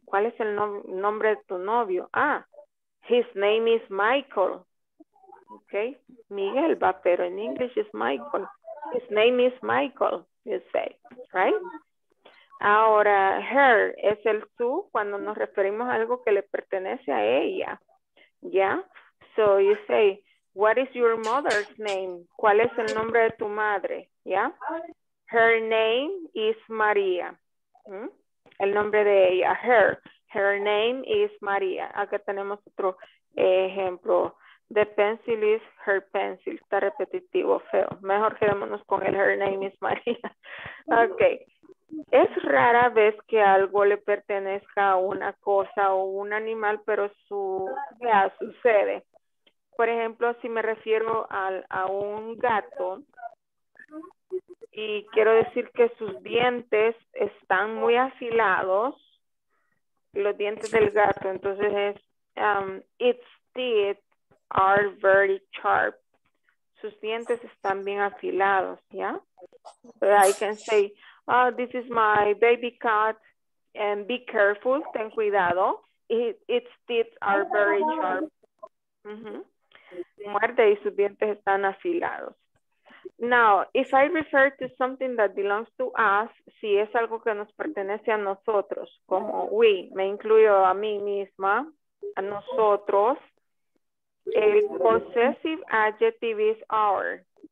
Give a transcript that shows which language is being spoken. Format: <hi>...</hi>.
<es>¿Cuál es el nombre de tu novio? Ah,</es> <en>his name is Michael. Okay.</en> <es>Miguel va, pero en English es Michael.</es> <en>His name is Michael. You say, right?</en> <es>Ahora, her es el su cuando nos referimos a algo que le pertenece a ella.</es> <en>Yeah? So you say, what is your mother's name?</en> <es>¿Cuál es el nombre de tu madre? Yeah?</es> <en>Her name is Maria. ¿Mm?</en> <es>El nombre de ella,</es> <en>her. Her name is María.</en> <es>Acá tenemos otro ejemplo.</es> <en>The pencil is her pencil.</en> <es>Está repetitivo, feo. Mejor quedémonos con el</es> <en>her name is María.</en> <es>Ok. Es rara vez que algo le pertenezca a una cosa o un animal, pero su, ya, sucede. Por ejemplo, si me refiero a un gato y quiero decir que sus dientes están muy afilados, los dientes del gato, entonces es,</es> <en>its teeth are very sharp.</en> <es>Sus dientes están bien afilados, ¿ya?</es> <en>But I can say, oh, this is my baby cat, and be careful,</en> <es>ten cuidado.</es> <en>Its teeth are very sharp.</en> <es>Muerde y sus dientes están afilados.</es> <en>Now, if I refer to something that belongs to us,</en> <es>si es algo que nos pertenece a nosotros,</es> <en>como we, me incluyo a mí misma, a nosotros, el possessive adjective is our.</en>